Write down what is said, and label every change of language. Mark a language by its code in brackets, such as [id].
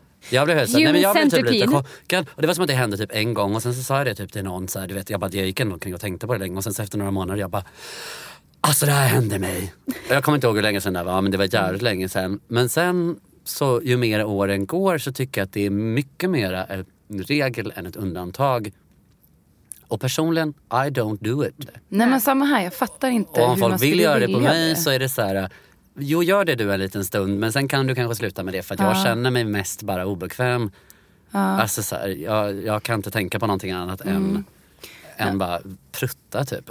[sv] Jag blev helt såhär, jag blev typ lite chockad. Och det var som att det hände typ en gång. Och sen så sa jag det typ till någon såhär, du vet, jag bara, jag gick ändå kring och tänkte på det länge. Och sen så efter några månader, jag bara, alltså det här hände mig. Och jag kommer inte ihåg hur länge sedan det var, men det var jävligt länge sedan. Men sen, så ju mer åren går, så tycker jag att det är mycket mer en regel än ett undantag. Och personligen, [en] I don't do it. [sv] Nej, men samma här, jag fattar inte. Och om folk vill göra det på mig så är det så här. Jo, gör det du en liten stund, men sen kan du kanske sluta med det, för att jag känner mig mest bara obekväm. Alltså så här, jag kan inte tänka på någonting annat än bara prutta typ.